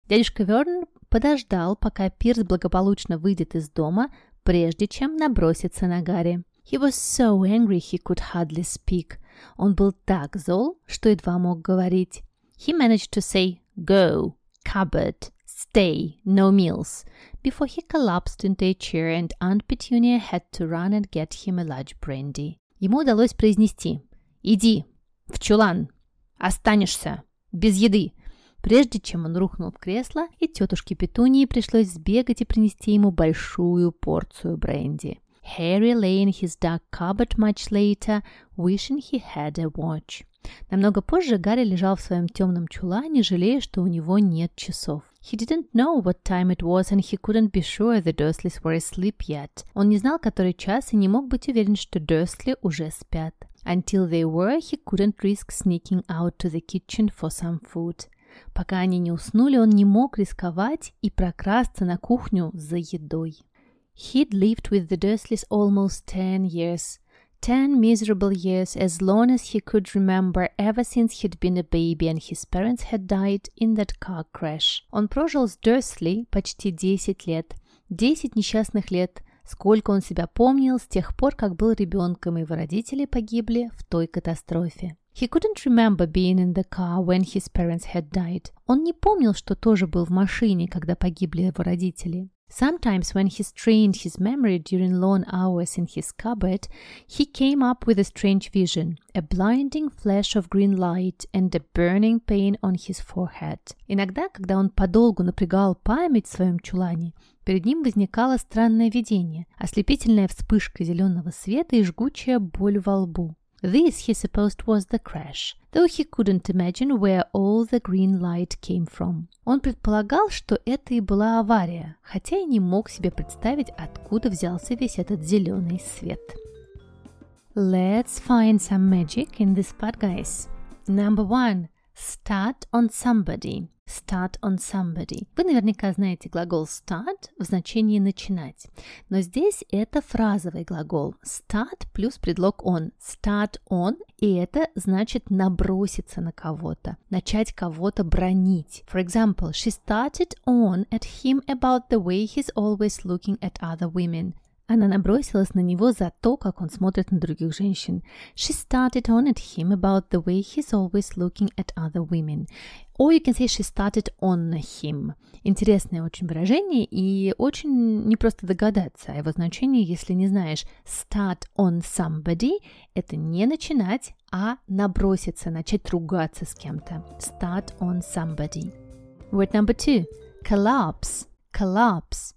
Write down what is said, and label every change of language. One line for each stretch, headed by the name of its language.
Russian: Дядюшка Вернон подождал, пока Пирс благополучно выйдет из дома, прежде чем наброситься на Гарри.
English: He was so angry he could hardly speak.
Russian: Он был так зол, что едва мог говорить.
English: He managed to say "go, cupboard, stay, no meals" before he collapsed into a chair and Aunt Petunia had to run and get him a large brandy.
Russian: Ему удалось произнести: «Иди в чулан, останешься без еды», прежде чем он рухнул в кресло, и тетушке Петунии пришлось сбегать и принести ему большую порцию бренди.
English: Harry lay in his dark cupboard much later, wishing he had a watch.
Russian: Намного позже Гарри лежал в своем темном чулане, жалея, что у него нет часов.
English: He didn't know what time it was, and he couldn't be sure the Dursleys were asleep yet.
Russian: Он не знал, который час, и не мог быть уверен, что Дурсли уже спят.
English: Until they were, he couldn't risk sneaking out to the kitchen for some food.
Russian: Пока они не уснули, он не мог рисковать и прокрасться на кухню за едой.
English: He'd lived with the Dursleys almost 10 years. 10 miserable years, as long as he could remember, ever since he'd been a baby and his parents had died in that car crash.
Russian: Он прожил с Дурсли почти 10 лет. 10 несчастных лет. Сколько он себя помнил с тех пор, как был ребенком, и его родители погибли в той катастрофе.
English: He couldn't remember being in the car when his parents had died.
Russian: Он не помнил, что тоже был в машине, когда погибли его родители.
English: Sometimes when he strained his memory during long hours in his cupboard, he came up with a strange vision, a blinding flash of green light and a burning pain on his forehead.
Russian: Иногда, когда он подолгу напрягал память в своем чулане, перед ним возникало странное видение, ослепительная вспышка зеленого света и жгучая боль во лбу.
English: This, he supposed, was the crash, though he couldn't imagine where all the green light came from.
Russian: Он предполагал, что это и была авария, хотя и не мог себе представить, откуда взялся весь этот зеленый свет.
English: Let's find some magic in this part, guys. Number one. Start on somebody. Start on somebody.
Russian: Вы наверняка знаете глагол start в значении начинать. Но здесь это фразовый глагол. Start плюс предлог on. Start on, и это значит наброситься на кого-то. Начать кого-то бронить.
English: For example, she started on at him about the way he's always looking at other women.
Russian: Она набросилась на него за то, как он смотрит на других женщин.
English: She started on at him about the way he's always looking at other women. Or you can say she started on him.
Russian: Интересное очень выражение и очень непросто догадаться о его значении, если не знаешь.
English: Start on somebody
Russian: – это не начинать, а наброситься, начать ругаться с кем-то.
English: Start on somebody. Word number two – collapse. Collapse.